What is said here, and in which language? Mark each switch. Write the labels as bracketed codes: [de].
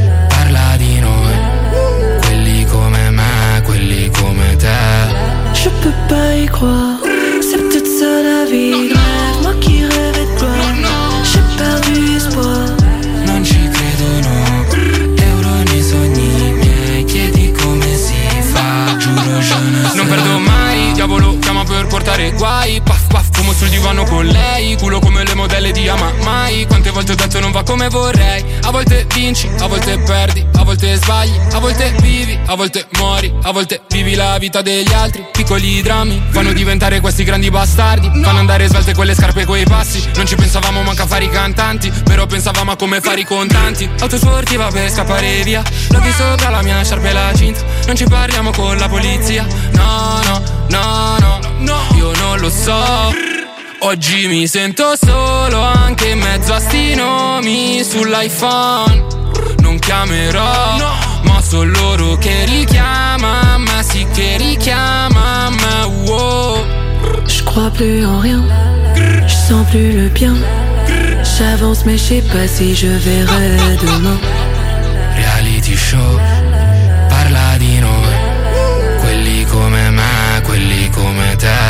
[it] Parla di noi, quelli come me, quelli come te. [fr] Je peux pas y croire, c'est toute ça la vie. Rêve, moi qui rêve de toi, j'ai perdu espoir. [it] Non ci credo no, euro nei sogni miei. Chiedi come si fa, giuro [fr] je ne sais. [it] Non perdo mai, diavolo chiama per portare guai. Paf paf, fumo sul divano con lei. Culo come le modelle di Ama Mai. Quante volte ho detto non va come vorrei. A volte vinci, a volte perdi, a volte sbagli, a volte vivi, a volte muori, a volte vivi la vita degli altri. Piccoli drammi fanno diventare questi grandi bastardi. Fanno andare svelte quelle scarpe e quei passi. Non ci pensavamo manca a fare i cantanti, però pensavamo a come fare i contanti. Auto sportiva per scappare via. L'ho visto sopra la mia sciarpa e la cinta. non ci parliamo con la polizia. No, no, no, no, no, io non lo so. Oggi mi sento solo anche in mezzo a sti nomi sull'iPhone. Non chiamerò, no, ma sono loro che richiamano me, sì che richiamano me, wow. [fr] Je crois plus en rien, je sens plus le bien. J'avance mais je sais pas si je verrai demain. [it] Reality show, parla di noi. Quelli come me, quelli come te.